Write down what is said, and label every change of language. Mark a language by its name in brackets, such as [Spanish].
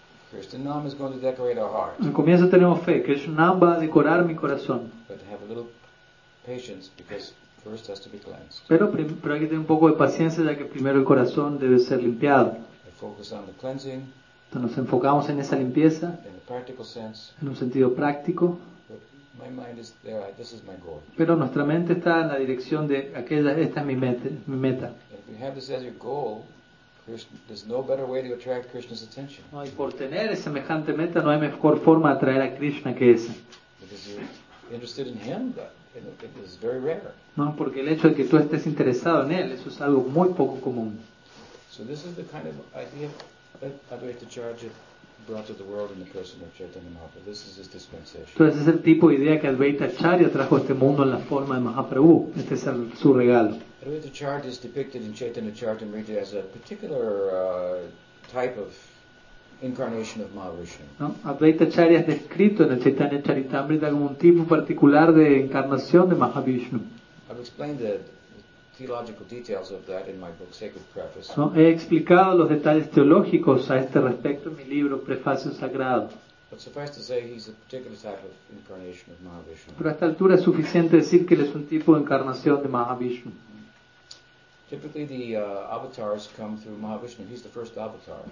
[English] Krishna Nam is going to decorate our heart. [Spanish] Al comienzo tenemos fe. Krishna Nam va a decorar mi corazón. [English] But have a little patience because first has to be cleansed. [Spanish] Pero hay que tener un poco de paciencia ya que primero el corazón debe ser limpiado. [English] We focus on the cleansing. [Spanish] Entonces nos enfocamos en esa limpieza. [English] In a practical sense. [Spanish] En un sentido práctico. [English] My mind is there. This is my goal. [Spanish] Pero nuestra mente está en la dirección de aquella. Esta es mi meta. [English] If you have this as your goal, there's no better way to attract Krishna's attention. [Spanish] No, y por tener semejante meta, no hay mejor forma de atraer a Krishna que esa. [English] Because you're interested in him, it is very rare. [Spanish] No, porque el hecho de que tú estés interesado en él, eso es algo muy poco común. [English] So this is the kind of idea that Advaita Charya brought to the world in the person of Chaitanya Mahaprabhu. This is his dispensation. [Spanish] Entonces es el tipo de idea que Advaita Charya trajo a este mundo en la forma de Mahaprabhu. Este es su regalo. [English] Advaita Charya is depicted in Chaitanya Charitamrita as a particular type of incarnation of Mahavishnu. [Spanish] No, Advaita Charya es descrito en el Chaitanya Charitamrita como un tipo particular de encarnación de Mahavishnu. [English] I've explained that. Theological details of that in my book, Sacred Preface. [Spanish] No, he explicado los detalles teológicos a este respecto en mi libro Prefacio Sagrado. [English] But suffice to say, he's a particular type of incarnation of Mahavishnu. [Spanish] Pero a esta altura es suficiente decir que él es un tipo de encarnación de Mahavishnu. [English] Typically, the avatars come through Mahavishnu. He's the first avatar.